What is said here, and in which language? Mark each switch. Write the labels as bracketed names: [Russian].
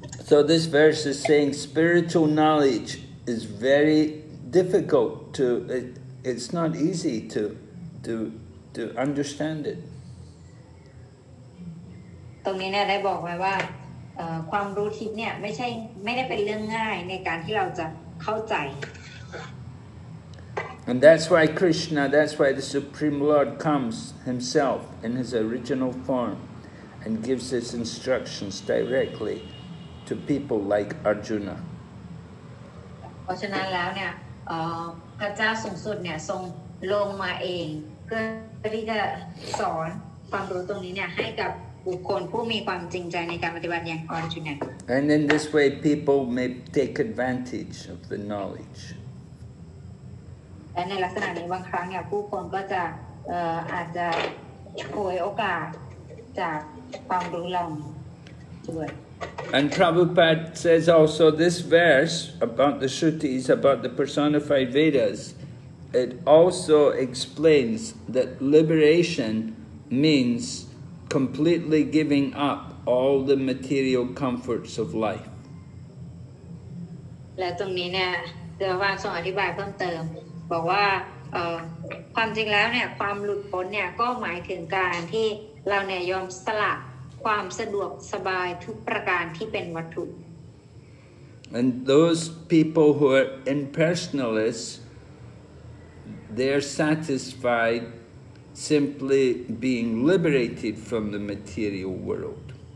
[English] So this verse is saying spiritual knowledge is very difficult to it's not easy to understand it. [Thai] ตรงนี้เนี่ยได้บอกไว้ว่าความรู้ทิพย์เนี่ยไม่ได้เป็นเรื่องง่ายในการที่เราจะเข้าใจ [English] And that's why Krishna, that's why the Supreme Lord comes himself in his original form and gives his instructions directly to people like Arjuna. [Thai] เพราะฉะนั้นแล้วเนี่ยพระเจ้าสูงสุดเนี่ยทรงลงมาเองที่จะสอนความรู้ตรงนี้เนี่ยให้กับบุคคลผู้มีความจริงใจในการปฏิบัติอย่างอรจุนะ [English] And in this way people may take advantage of the knowledge [Thai] และในลักษณะนี้บางครั้งเนี่ยผู้คนก็จะอาจจะฉวยโอกาสจากความรู้เหล่านี้ด้วย [English] And Prabhupada says also this verse about the Shrutis, about the personified Vedas, it also explains that liberation means completely giving up all the material comforts of life. [Thai] และตรงนี้เนี่ยเดี๋ยวว่าส่งอธิบายเพิ่มเติมบอกว่าความจริงแล้วเนี่ยความหลุดพ้นเนี่ยก็หมายถึงการที่เราเนี่ยยอมสละความสะดวกสบายทุกประการที่เป็นวัตถุ [English] And those people who are impersonalists they're satisfied simply being liberated from the material world